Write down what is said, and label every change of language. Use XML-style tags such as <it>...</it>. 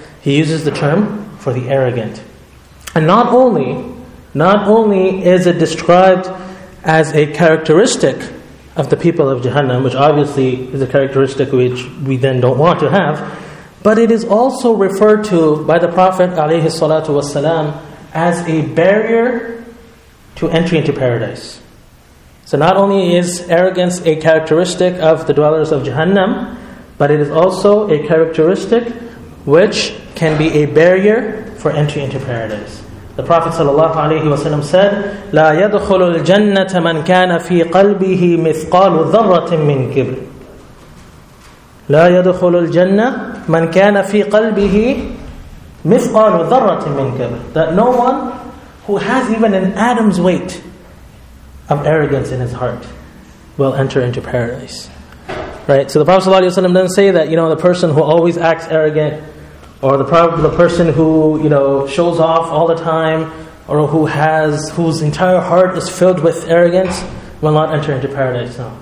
<en>He uses the term for the arrogant. And not only is it described as a characteristic of the people of Jahannam, which obviously is a characteristic which we then don't want to have, but it is also referred to by the Prophet alayhi salatu wasalam as a barrier to entry into paradise. So not only is arrogance a characteristic of the dwellers of Jahannam, but it is also a characteristic which can be a barrier for entry into paradise. The Prophet sallallahu alaihi wasallam said,</en> <ar>لا يدخل الجنة من كان في قلبه مثقال ذرة من كبر. لا يدخل الجنة من كان في قلبه مثقال ذرة من كبر.</ar> <en>That no one who has even an atom's weight of arrogance in his heart will enter into paradise. Right? So the Prophet sallallahu alaihi wasallam doesn't say that, you know, the person who always acts arrogant, or the person who, you know, shows off all the time, or whose entire heart is filled with arrogance, will not enter into paradise. No.</en>